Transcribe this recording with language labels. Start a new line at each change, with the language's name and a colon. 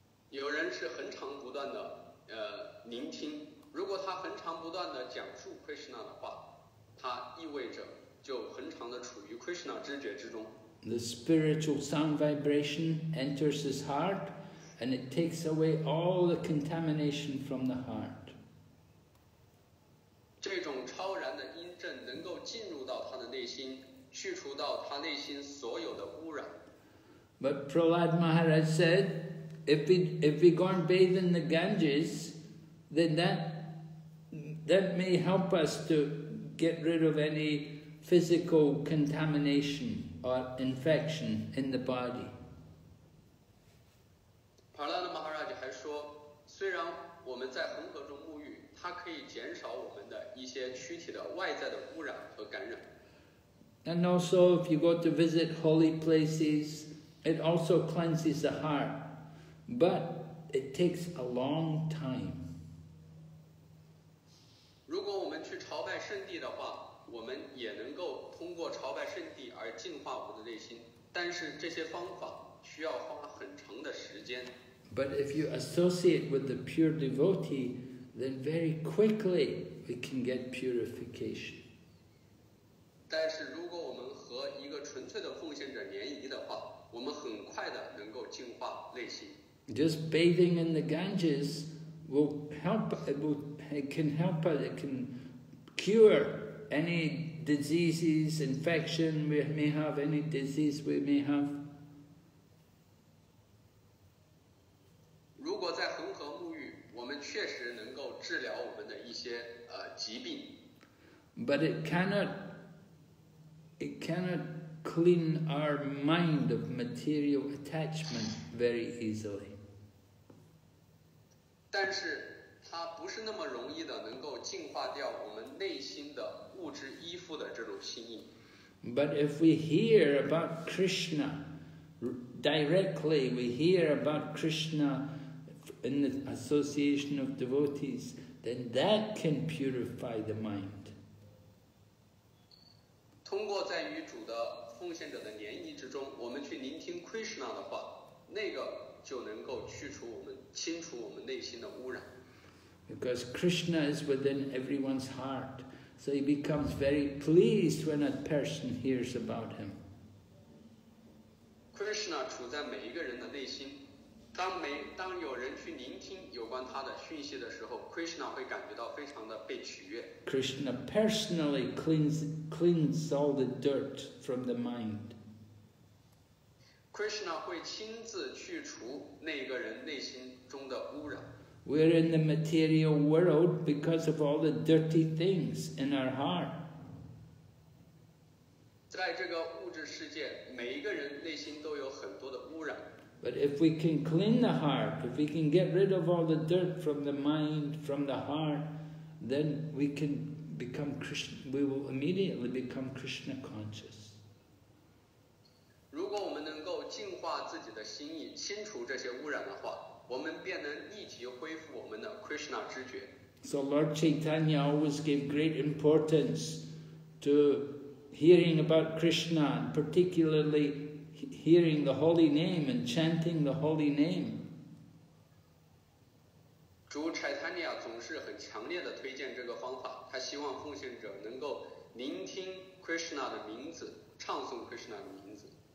Chinese: 有人是恒常不断的聆听，如果他恒常不断的讲述 Krishna 的话，他意味着就恒常的处于 Krishna 知觉之中。
English: The spiritual sound vibration enters his heart, and it takes away all the contamination from the heart.
Chinese: 这种超然的音振能够进入到他的内心，去除到他内心所有的污染。
English: But Prahlad Maharaj said, if we go and bathe in the Ganges, then that may help us to get rid of any physical contamination or infection in the body.
Chinese: Prahlad Maharaj 还说，虽然我们在恒河中沐浴，它可以减少我们的一些躯体的外在的污染和感染。
English: And also, if you go to visit holy places, it also cleanses the heart, but it takes a long time.
Chinese: 如果我们去朝拜圣地的话，我们也能够通过朝拜圣地而净化我们的内心，但是这些方法需要花很长的时间。
English: But if you associate with the pure devotee, then very quickly we can get purification.
Chinese: 但是如果我们和一个纯粹的奉献者联谊的话，我们很快的能够净化内心。
English: Just bathing in the Ganges will help. It can help us. It can cure any diseases, infection we may have, any disease we may have.
Chinese: 如果在恒河沐浴，我们确实能够治疗我们的一些疾病。
English: But it cannot clean our mind of material attachment very easily.
Chinese: 但是它不是那么容易的能够净化掉我们内心的物质依附的这种心意。
English: But if we hear about Krishna directly, we hear about Krishna in the association of devotees, then that can purify the mind.
Chinese: 通过在与主的父奉献者的涟漪之中，我们去聆听 Krishna 的话，那个就能够去除我们，清除我们内心的污染。
English: Because Krishna is within everyone's heart, so he becomes very pleased when a person hears about him.
Chinese: Krishna 处在每一个人的内心，当有人去聆听有关他的讯息的时候， Krishna 会感觉到非常的被取悦。
English: Krishna personally cleans all the dirt from the mind.
Chinese: Krishna 会亲自去除那个人内心中的污染。
English: We're in the material world because of all the dirty things in our heart.
Chinese: 在这个物质世界，每一个人内心都有很多的污染。
English: But if we can clean the heart, if we can get rid of all the dirt from the mind, from the heart, then we can become Krishna, we will immediately become Krishna conscious.
Chinese: 如果我们能够净化自己的心意，清除这些污染的话，我们便能立即恢复我们的 Krishna 知觉。
English: So Lord Chaitanya always gave great importance to hearing about Krishna, particularly hearing the holy name and chanting the holy name.
Chinese: 主 Chaitanya 总是很强烈地推荐这个方法，他希望奉献者能够聆听 Krishna 的名字，唱诵 Krishna 的名字。